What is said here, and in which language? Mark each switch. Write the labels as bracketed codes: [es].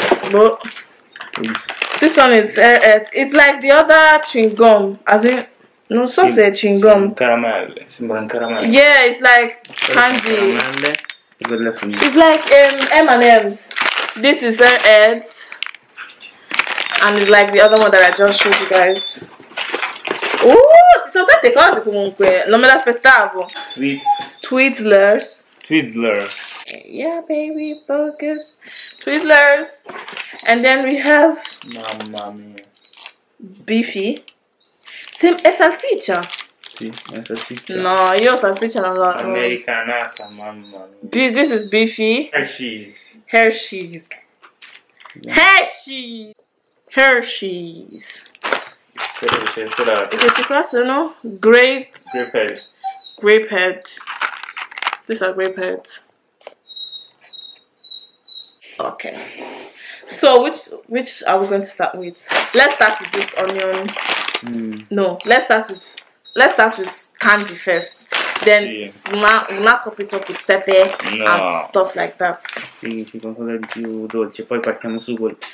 [en] But this one is it's like the other chewing gum. As in, [it] non so se è chewing gum. Caramelle. Sembra un caramello. [en] Yeah, it's like candy. [it] Caramelle. [en] It's like M&M's. This is Airheads. And it's like the other one that I just showed you guys. [it] Ooh, ci sono tante cose comunque, non me l'aspettavo. [en] Twizzlers. Yeah, baby, focus. Twizzlers. And then we have... [it] Mamma mia. Beefy. È salsiccia? Sì, è salsiccia. No, io salsiccia non l'ho. Americanata, mamma mia. [en] This is Beefy. Hershey's. [it] Che si passa, no? [en] Grape head. These are grape heads. Okay. So which are we going to start with? Let's start with this onion. No, let's start with candy first. then we'll not top it up with pepper and stuff like that. [it] Sì, ci qualcosa di più dolce, poi partiamo subito.